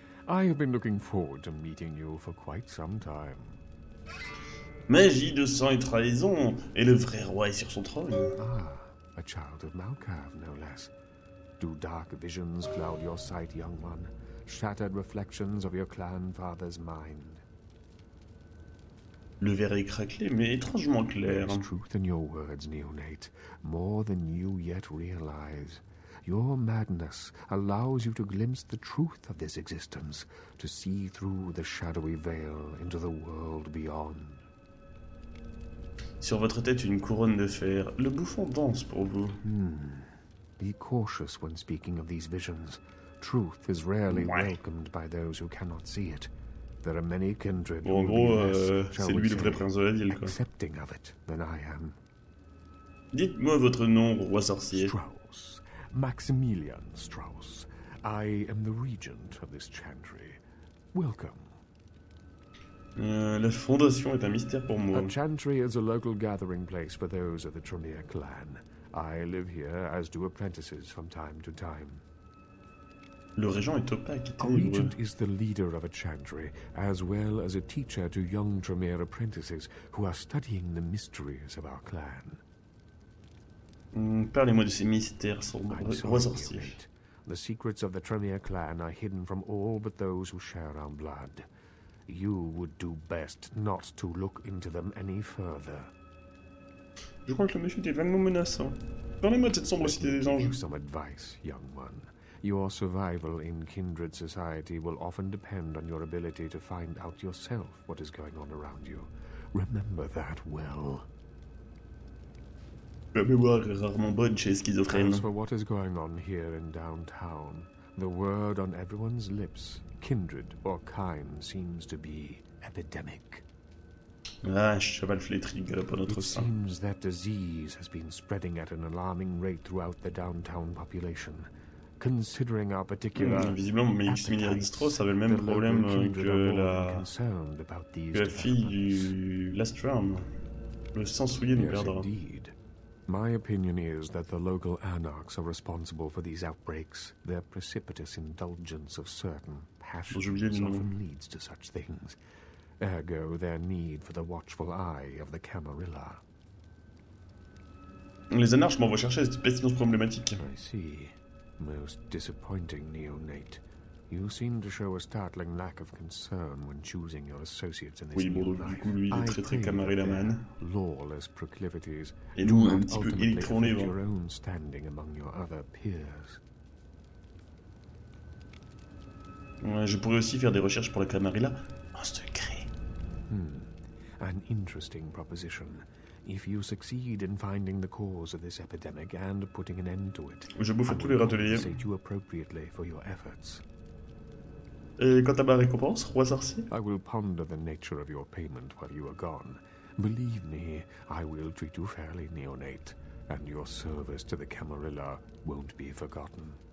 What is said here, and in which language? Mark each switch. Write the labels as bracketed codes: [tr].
[en] I have been looking forward to meeting you for quite some time. [fr] Magie de sang et trahison, et le vrai roi est sur son trône. [en] Ah, a child of Malkav, no less. Do dark visions cloud your sight, young one? Shattered reflections of your clan father's mind. [fr] Le verre est craquelé, mais étrangement clair. [en] There's truth in your words, Neonate. More than you yet realize. Your madness allows you to glimpse the truth of this existence, to see through the shadowy veil into the world beyond. [fr] Sur votre tête, une couronne de fer. Le bouffon danse pour vous. [en] Be cautious when speaking of these visions. Truth is rarely welcomed by those who cannot see it. There are many kindred. [fr] Bon, en gros, c'est lui le vrai prince de la ville, quoi. [en] Accepting of it than I am. [fr] Dites-moi votre nom, roi sorcier. [en] Strauss, Maximilian Strauss. I am the regent of this chantry. Welcome. [fr] La fondation est un mystère pour moi. [en] A chantry is a local gathering place for those of the Tremere clan. I live here as do apprentices from time to time. [fr] Le régent est opaque. [en] A regent is the leader of a chantry, as well as a teacher to young Tremere apprentices who are studying the mysteries of our clan. [fr] Parlez-moi de ces mystères sombres, roi sorcier. [en] The secrets of the Tremere clan are hidden from all but those who share our blood. You would do best not to look into them any further. [fr] Je crois que le monsieur était vraiment menaçant. Parlez-moi de cette sombre cité des anges. [en] Some advice, young one. Your survival in kindred society will often depend on your ability to find out yourself what is going on around you. Remember that well. [fr] La mémoire est rarement bonne chez les schizophrènes. [en] As for what is going on here in downtown, the word on everyone's lips, kindred or kind, seems to be epidemic. [fr] Ah, cheval flétri, galope à notre sein. [en] It seems that disease has been spreading at an alarming rate throughout the downtown population. Considering our particular [fr] visiblement, Maximilien Strauss avait le même problème que la fille du Last Ram. Le sang souillé nous perdra. [en] My opinion is that the local anarchs are responsible for these outbreaks. Their precipitous indulgence of certain passions often leads to such things. Ergo, their need for the watchful eye of the Camarilla. [fr] Les anarches m'envoient chercher cette pestilence problématique. [en] I see. Most disappointing, neonate. You seem to show a startling lack of concern when choosing your associates in this new life. [fr] Du coup, lui, il est très, très camaraderman. [en] Lawless proclivities. [fr] Et nous, un petit peu électronné, [en] bon. Your own standing among your other peers. [fr] Ouais, je pourrais aussi faire des recherches pour la Camarilla en secret. [en] An interesting proposition. If you succeed in finding the cause of this epidemic and putting an end to it, [fr] je bouffe tous les râteliers. [en] I compensate you appropriately for your efforts. [fr] Et quant à ma récompense, roi sorcier? [en] I will ponder the nature of your payment while you are gone. Believe me, I will treat you fairly, neonate, and your service to the Camarilla won't be forgotten.